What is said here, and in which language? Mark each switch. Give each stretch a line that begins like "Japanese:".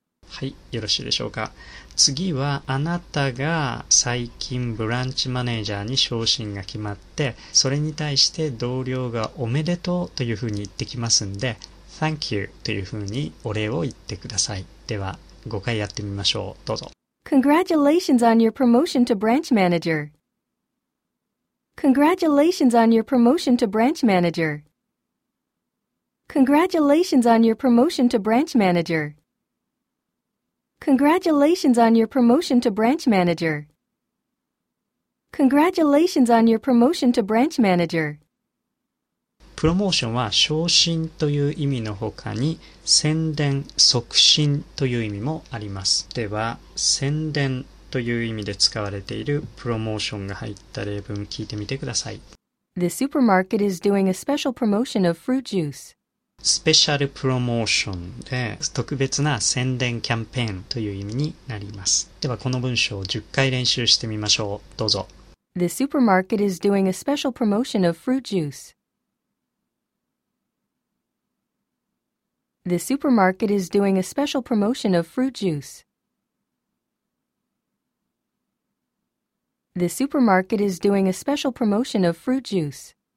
Japanese: はい、よろしいでしょうか。次はあなたが最近ブランチマネージャーに昇進が決まって、それに対して同僚がおめでとうというふうに言ってきますんで、
English: Thank you
Japanese: というふうにお礼を言ってください。では、5回やってみましょう。どうぞ。
English: Congratulations on your promotion to branch manager. Congratulations on your promotion to branch manager. Congratulations on your promotion to branch manager. Congratulations on your promotion to branch manager. Congratulations on your promotion to branch manager.
Japanese: プロモーションは昇進という意味のほかに宣伝、促進という意味もあります。では、宣伝という意味で使われているプロモーションが入った例文聞いてみてください。
English: The supermarket is doing a special promotion of fruit juice.
Japanese: スペシャルプロモーションで特別な宣伝キャンペーンという意味になります。ではこの文章を10回練習してみましょう。どうぞ。
English: The supermarket is doing a special promotion of fruit juice. The supermarket is doing a special promotion of fruit juice. The supermarket is doing a special promotion of fruit juice.